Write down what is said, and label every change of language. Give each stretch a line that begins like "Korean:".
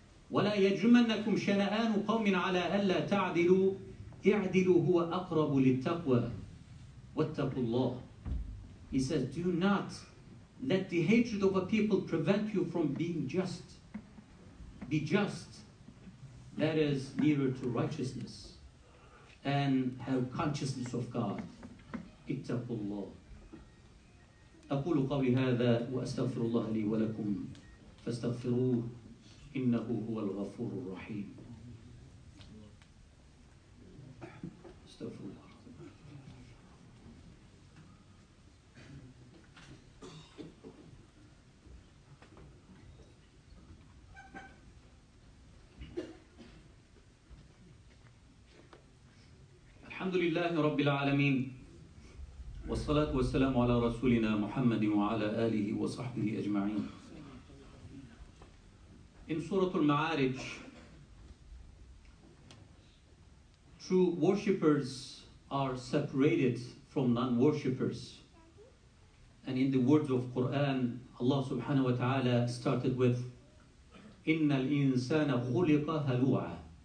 Arabic: وَلَا يَجْرِمَنَّكُمْ شَنَآنُ قَوْمٍ عَلَىٰ أَلَّا تَعْدِلُوا اِعْدِلُوا هُوَ أَقْرَبُ لِلتَّقْوَىٰ وَاتَّقُوا اللَّهِ.
English: He says, do not let the hatred of a people prevent you from being just. Be just. That is nearer to righteousness. And have consciousness of God.
Arabic: اتقوا الله. أقول قولي هذا وأستغفر الله لي ولكم فاستغفروه إنه هو الغفور الرحيم. استغفر الله. الحمد لله رب العالمين والصلاة والسلام على رسولنا محمد وعلى آله وصحبه أجمعين.
English: In Surah Al-Ma'arij, true worshippers are separated from non-worshippers. And in the words of Quran, Allah subhanahu wa ta'ala started with
Arabic: إِنَّ الْإِنسَانَ خُلِقَ هَلُوعًا.